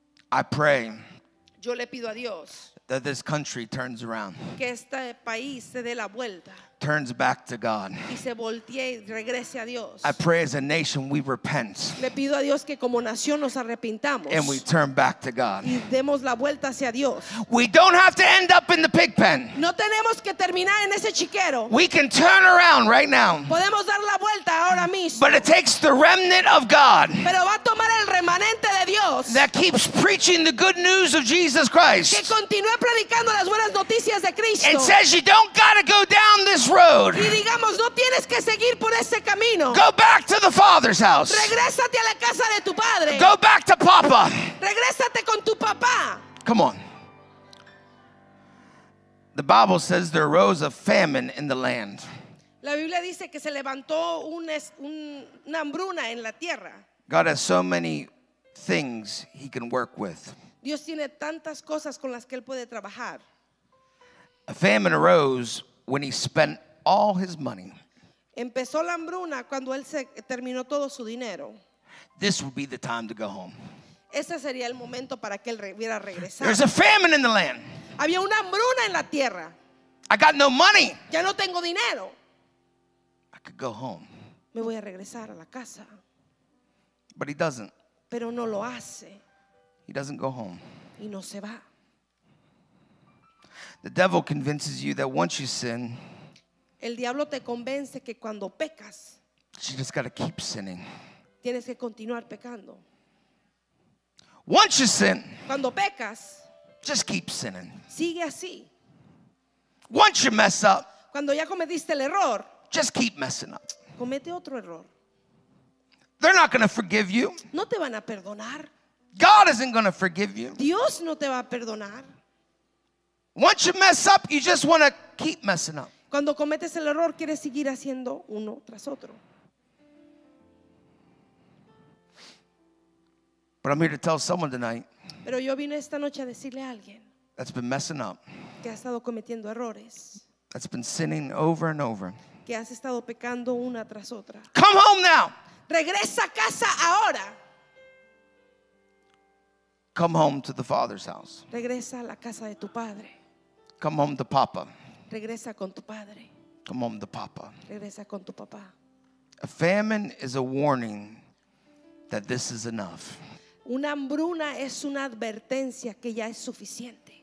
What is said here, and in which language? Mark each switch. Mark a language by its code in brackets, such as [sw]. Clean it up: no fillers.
[en] I pray. [es] Yo le pido a Dios. [en] That this country turns around. [es] Que este país se dé la vuelta. [en] Turns back to God. [es] Y se voltee y regrese a Dios. [en] I pray as a nation we repent. [es] Le pido a Dios que como nación nos arrepintamos. [en] And we turn back to God. [es] Y demos la vuelta hacia Dios. [en] We don't have to end up in the pig pen. [es] No tenemos que terminar en ese chiquero. [en] We can turn around right now. [es] Podemos dar la vuelta ahora mismo. [en] But it takes the remnant of God. [es] Pero va a tomar el remanente de Dios. [en] That keeps preaching the good news of Jesus Christ. [es] Que continúe predicando las buenas noticias de Cristo. [en] And says you don't got to go down this road. [es] Y digamos, no tienes que seguir por ese camino. [en] Go back to the Father's house. [es] Regrésate a la casa de tu padre. [en] Go back to Papa. [es] Regrésate con tu papá. [en] Come on. The Bible says there arose a famine in the land. [es] La Biblia dice que se levantó una hambruna en la tierra. [en] God has so many things he can work with. [es] Dios tiene tantas cosas con las que él puede trabajar. [en] A famine arose when he spent all his money. [es] Empezó la hambruna cuando él se terminó todo su dinero. [en] This would be the time to go home. [es] Ese sería el momento para que él hubiera regresado. [en] There's a famine in the land. [es] Había una hambruna en la tierra. [en] I got no money. [es] Ya no tengo dinero. [en] I could go home. [es] Me voy a regresar a la casa. [en] But he doesn't. [es] Pero no lo hace. [en] He doesn't go home. [es] Y no se va. [en] The devil convinces you that once you sin, [es] el diablo te convence que cuando pecas, [en] you just got to keep sinning. [es] Tienes que continuar pecando. [en] Once you sin, [es] cuando pecas, [en] just keep sinning. [es] Sigue así. [en] Once you mess up, [es] cuando ya cometiste el error, [en] just keep messing up. [es] Comete otro error. [en] They're not going to forgive you. [es] No te van a perdonar. [en] God isn't going to forgive you. [es] Dios no te va a perdonar. [en] Once you mess up, you just want to keep messing up. [es] Cuando cometes el error, quieres seguir haciendo uno tras otro. [en] But I'm here to tell someone tonight. [es] Pero yo vine esta noche a decirle a alguien. [en] That's been messing up. [es] Que ha estado cometiendo errores. [en] That's been sinning over and over. [es] Que has estado pecando una tras otra. [en] Come home now. [es] Regresa a casa ahora. [en] Come home to the Father's house. [es] Regresa a la casa de tu padre. [en] Come home to Papa. [es] Regresa con tu padre. [en] Come home to Papa. [es] Regresa con tu papá. [en] A famine is a warning that this is enough. [es] Una hambruna es una advertencia que ya es suficiente.